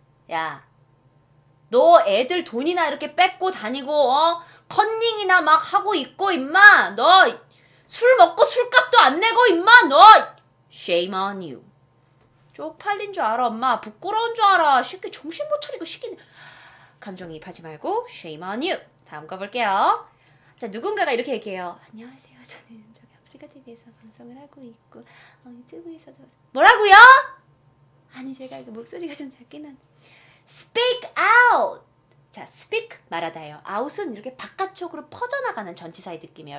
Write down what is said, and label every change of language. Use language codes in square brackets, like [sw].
[ko] 야, 너 애들 돈이나 이렇게 뺏고 다니고 컨닝이나 막 하고 있고 임마. 너 술 먹고 술값도 안 내고 임마. 너 [en] shame on you. [ko] 쪽팔린 줄 알아 엄마. 부끄러운 줄 알아. 쉽게 정신 못 차리고 시키네. 감정이입하지 말고 [en] shame on you. [ko] 다음 거 볼게요. 자, 누군가가 이렇게 얘기해요. 안녕하세요. 저는 아프리카TV에서 방송을 하고 있고 유튜브에서 저... 뭐라고요? 아니, 제가 이거 목소리가 좀 작긴 한데. [en] Speak out. [ko] 자, speak 말하다예요. out은 이렇게 바깥쪽으로 퍼져나가는 전치사의 느낌이에요.